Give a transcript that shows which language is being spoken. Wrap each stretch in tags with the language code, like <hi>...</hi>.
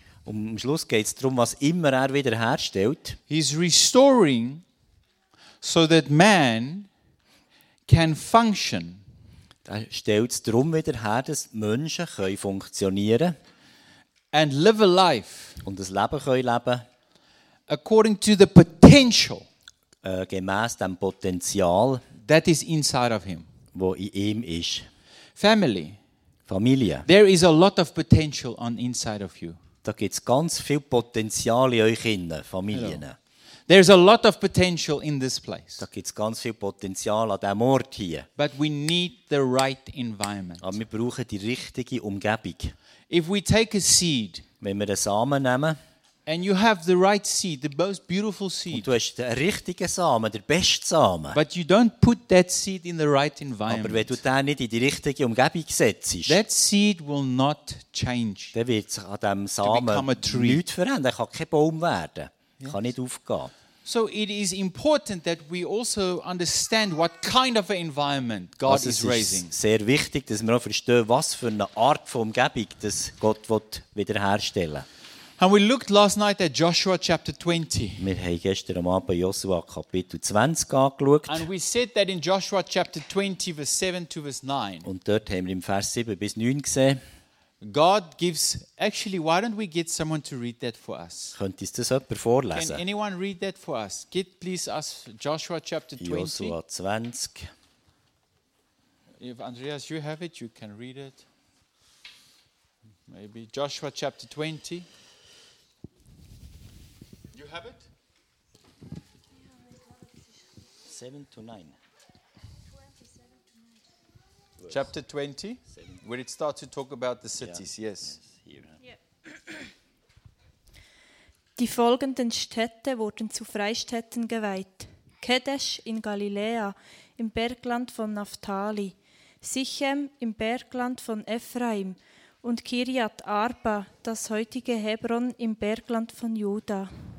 <de>Und am Schluss geht es darum, was immer er wieder herstellt.</de> <en>He's restoring so that man can function.</en> <de>Er stellt es darum wieder her, dass Menschen können funktionieren</de> <en>and live a life</en> <de>und ein Leben können leben</de> <en>according to the potential</en> <de>gemäss dem Potenzial,</de> <en>that is inside of him,</en> <de>wo in ihm ist.</de> <en>Family,</en> <de>Familie.</de> <en>There is a lot of potential on inside of you.</en> <de>Da gibt's ganz viel Potenzial in euch innen, Familien.</de> <en>There is a lot of potential in this place.</en> <de>Da gibt's ganz viel Potenzial an dem Ort hier.</de> <en>But we need the right environment.</en> <de>Aber wir brauchen die richtige Umgebung.</de> <en>If we take a seed,</en> <de>wenn wir den Samen nehmen,</de> <en>and you have the right seed, the most beautiful seed,</en> <de>und du hast den richtigen Samen, der beste Samen,</de> <en>but you don't put that seed in the right environment,</en> <de>aber wenn du den nicht in die richtige Umgebung setzt,</de> <en>that seed will not change.</en> <de>Der wird sich an dem Samen nichts verändern. Er kann kein Baum werden. Yes. Kann nicht aufgehen.</de> <en>So it is important that we also understand what kind of an environment God</en> <de>also</de> <en>is raising.</en> <de>Es ist sehr wichtig, dass wir auch verstehen, was für eine Art von Umgebung das Gott will wiederherstellen.</de> <en>And we looked last night at Joshua chapter 20.</en> <de>Wir haben gestern Abend bei Joshua Kapitel 20 angeschaut.</de> <en>And we said that in Joshua chapter 20 verse 7 to verse 9.</en> <de>Und dort haben wir im Vers 7 bis 9 gesehen.</de> <en>God gives. Actually, why don't we get someone to read that for us?</en> <de>Könnte es das jemand vorlesen?</de> <en>Can anyone read that for us? Get please us Joshua chapter 20. Joshua 20. If Andreas, you have it, you can read it. Maybe Joshua chapter 20. You have it? 7 to 9. Chapter 20, where it starts to talk about the cities, yeah. Yes.</en> <de>Die folgenden Städte wurden zu Freistädten geweiht. Kedesh in Galiläa, im Bergland von Naphtali, Sichem im Bergland von Ephraim und Kiriat Arba, das heutige Hebron im Bergland von Juda.</de>